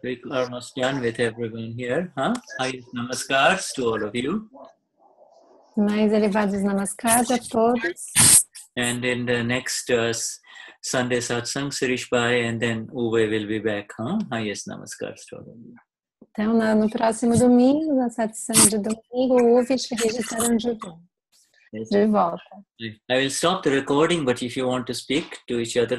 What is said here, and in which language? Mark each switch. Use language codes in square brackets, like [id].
[en] We are almost done with everyone here. Hi, namaskars to all of you. [pt] Mais elevados namaskars a todos. [en] And in the next Sunday satsang, Sirish Bhai, and then Uwe will be back. Highest namaskars to all of you. [pt] Então, no próximo domingo, na satsang de domingo, Uwe e Sirish estarão de volta. [en] I will stop the recording, but if you want to speak to each other,